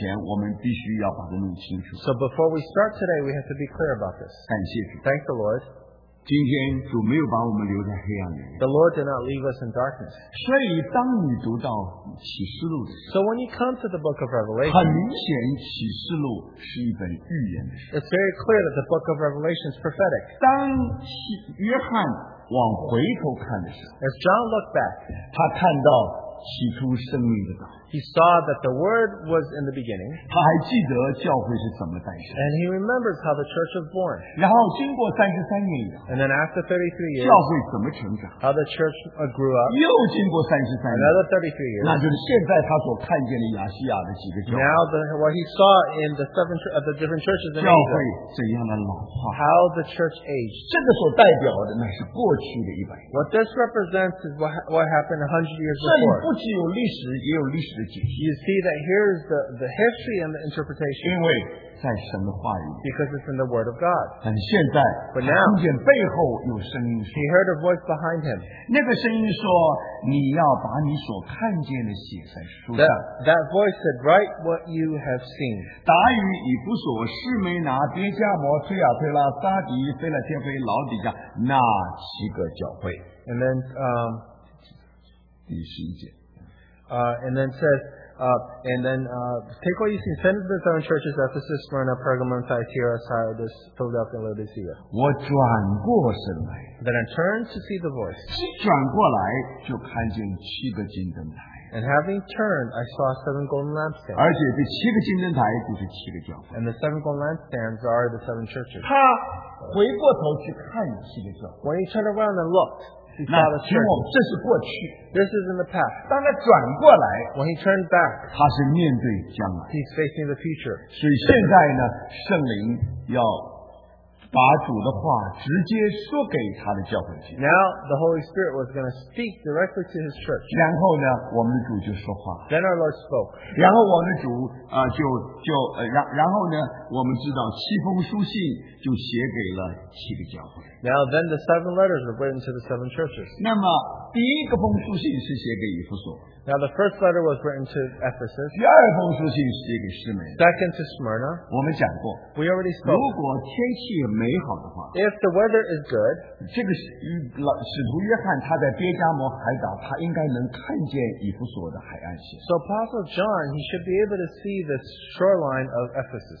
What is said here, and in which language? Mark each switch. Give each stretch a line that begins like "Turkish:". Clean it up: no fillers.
Chinese: 所以这个就是我们今天要开始以前，我们必须要把它弄清楚。
English: So before we start today, we have to be clear about this.
Chinese: 感谢主。
English: Thank the Lord.
Chinese: 今天主没有把我们留在黑暗里。
English: The Lord did not leave us in darkness.
Chinese: 所以当你读到启示录的时候，
English: So when you come to the book of Revelation,
Chinese: 很明显启示录是一本预言的书。
English: It's very clear that the book of Revelation is prophetic.
Chinese: 当约翰往回头看的时候，
English: As John looked back,
Chinese: 他看到起初生命的道。
English: He saw that the Word was in the beginning.
Chinese: 他还记得教会是怎么诞生。
English: And he remembers how the church was born.
Chinese: 然后经过33年以后，
English: And then after 33 years,
Chinese: 教会怎么成长，
English: How the church grew up.
Chinese: 又经过33年，
English: Another 33 years.
Chinese: 那就是现在他所看见的亚细亚的几个教会。
English: Now what he saw in the seven of the different churches in Asia,
Chinese: 教会怎样的老化，
English: How the church aged.
Chinese: 这个所代表的那是过去的100年。
English: What this represents is what happened 100 years before.
Chinese: 这里不仅有历史，也有历史。
English: You see that here's the history and the interpretation.
Chinese: 因为在神的话语，
English: Because it's in the Word of God.
Chinese: 但现在，
English: But now,
Chinese: 听见背后有声音说，
English: He heard a voice behind him.
Chinese: 那个声音说， 你要把你所看见的写在书上。
English: That voice said, write what you have seen.
Chinese: 达于以弗所、示梅拿、别加摩、推亚推拉、撒迪、菲拉铁菲、老底加那七个教会。
English: And then,
Chinese: 第十一节。
English: And then says, Take what you see. Send it to the seven churches: Ephesus, Smyrna, Pergamum, Thyatira, Sardis, Philadelphia, and Laodicea.
Chinese: 我转过身来,
English: then I turned to see the voice.
Chinese: 转过来就看见七个金灯台,
English: and having turned, I saw seven golden lampstands.
Chinese: 而且这七个金灯台就是七个教会,
English: and the seven golden lampstands are the seven churches.
Chinese: 他回过头去看七个教会,
English: when he turned around and looked, he saw the church. This is in the past.
Chinese: 当他转过来,
English: when he turned back,
Chinese: 他是面对将来,
English: he's facing the future.
Chinese: 所以现在呢, 圣灵要把主的话直接说给他的教会去,
English: now the Holy Spirit was going to speak directly to his church.
Chinese: 然后呢, 我们的主就说话,
English: then our Lord spoke.
Chinese: 然后我们的主, 然后呢, 我们知道七封书信就写给了七个教会。
English: Now then the seven letters were written to the seven churches.
Chinese: 那么第一个封书信是写给以弗所,
English: now the first letter was written to Ephesus.
Chinese: 第二封书信是写给施美,
English: second to Smyrna.
Chinese: 我们讲过,
English: we already spoke.
Chinese: 如果天气美好的话,
English: if the weather is good,
Chinese: 这个使徒约翰他在别加摩海岛, 他应该能看见以弗所的海岸线。
English: So Apostle John, he should be able to see the shoreline of Ephesus.